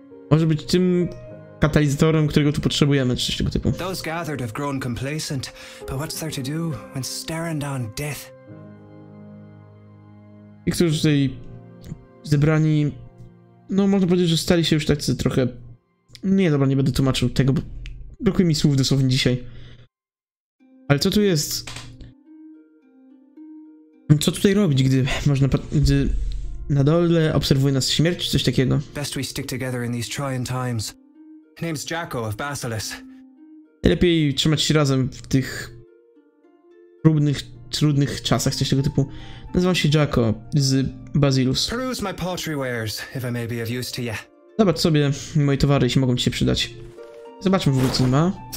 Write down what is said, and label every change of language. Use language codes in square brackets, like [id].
[pl] Może być tym katalizatorem, którego tu potrzebujemy, czy coś tego typu. [en] Those gathered have grown complacent, but what's there to do when staring down death? [pl] I którzy tutaj zebrani, no można powiedzieć, że stali się już tacy trochę... Nie, dobra, nie będę tłumaczył tego, bo brakuje mi słów dosłownie dzisiaj. Ale co tu jest? Co tutaj robić, gdy można... gdy na dole obserwuje nas śmierć, czy coś takiego? [en] Best we stick together in these trying times. Name's Jacko of Basilis. [pl] Lepiej trzymać się razem w tych próbnych, trudnych czasach, coś tego typu. Nazywam się Jacko z Basilis. [en] Peruse my pottery wares, if I may be of use to ya. [pl] Zobacz sobie moje towary, jeśli mogą ci się przydać. Zobaczmy w ogóle, co ma.